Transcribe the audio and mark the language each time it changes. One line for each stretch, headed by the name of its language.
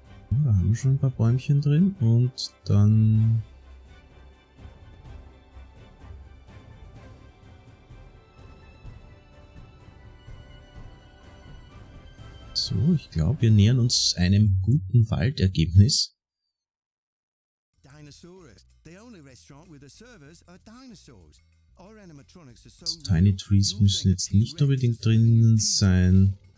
German: Ja, da haben wir schon ein paar Bäumchen drin. Und dann... So, ich glaube, wir nähern uns einem guten Waldergebnis.
English: Dinosaurus, the only restaurant with the servers are dinosaurs. Our animatronics are so real.
German: Tiny Trees müssen jetzt nicht unbedingt drinnen sein.